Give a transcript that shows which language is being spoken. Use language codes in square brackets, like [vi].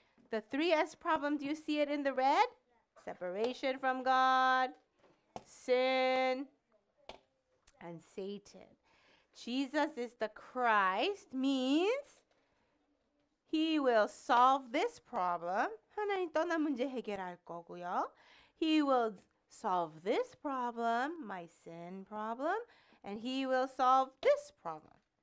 [en] The 3S problem, do you see it in the red? Separation from God, sin, and Satan. Jesus is the Christ means he will solve this problem. [ko] 하나님 떠난 문제 해결할 거고요. [en] He will solve this problem, my sin problem, and he will solve this problem.